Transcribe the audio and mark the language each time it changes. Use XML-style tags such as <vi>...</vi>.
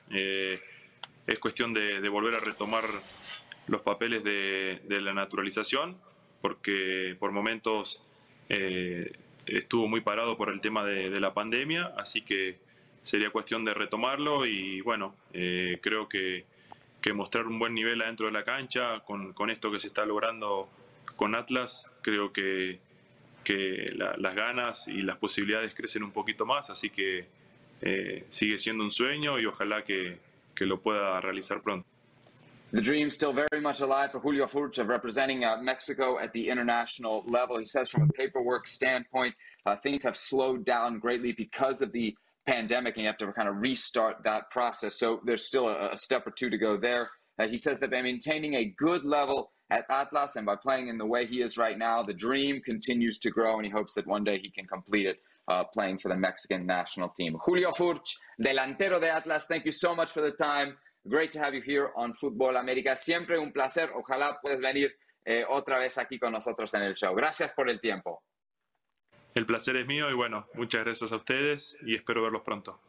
<es>Es cuestión de volver a retomar los papeles de la naturalización, porque por momentos estuvo muy parado por el tema de la pandemia, así que sería cuestión de retomarlo y bueno, creo que mostrar un buen nivel adentro de la cancha con esto que se está logrando con Atlas, creo que las ganas y las posibilidades crecen un poquito más, así que sigue siendo un sueño y ojalá que lo pueda realizar pronto.</es> <en>The dream still very much alive for Julio Furch of representing Mexico at the international level. He says from a paperwork standpoint, things have slowed down greatly because of the pandemic, and you have to kind of restart that process. So there's still a step or two to go there. He says that by maintaining a good level at Atlas and by playing in the way he is right now, the dream continues to grow, and he hopes that one day he can complete it playing for the Mexican national team. Julio Furch,</en> <es>delantero de Atlas,</es> <en>thank you so much for the time. Great to have you here on Futbol America.</en> <es>Siempre un placer. Ojalá puedas venir otra vez aquí con nosotros en el show. Gracias por el tiempo. El placer es mío y bueno, muchas gracias a ustedes y espero verlos pronto.</es>